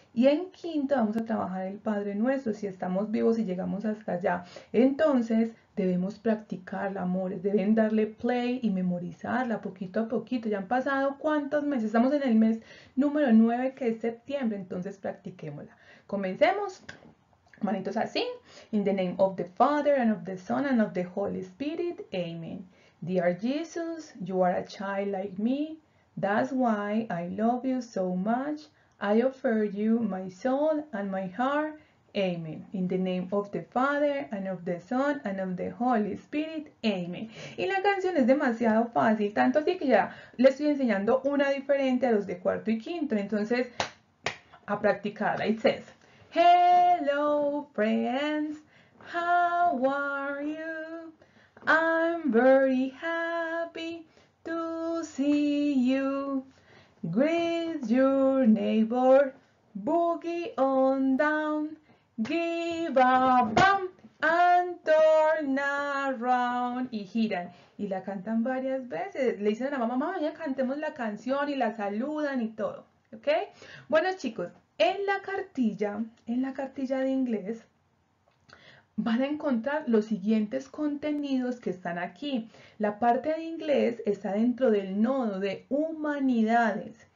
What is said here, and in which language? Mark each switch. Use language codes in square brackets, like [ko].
[es] Y en quinto vamos a trabajar el Padre Nuestro, si estamos vivos y llegamos hasta allá. Entonces debemos practicarla, amores. Deben darle play y memorizarla poquito a poquito. Ya han pasado cuántos meses. Estamos en el mes número 9, que es septiembre. Entonces practiquémosla. Comencemos. Manitos así. [en] In the name of the Father, and of the Son, and of the Holy Spirit. Amen. Dear Jesus, you are a child like me. That's why I love you so much. I offer you my soul and my heart. Amen. In the name of the Father, and of the Son, and of the Holy Spirit. Amen. [es] Y la canción es demasiado fácil, tanto así que ya le estoy enseñando una diferente a los de cuarto y quinto. Entonces, a practicarla. [en] It says, Hello friends, how are you? I'm very happy to see you. Greet your neighbor, boogie on down, give a bump and turn around. [es] Y giran, y la cantan varias veces. Le dicen a la mamá, mamá, ya cantemos la canción y la saludan y todo. ¿Ok? Bueno, chicos, en la cartilla de inglés, van a encontrar los siguientes contenidos que están aquí. La parte de inglés está dentro del nodo de humanidades.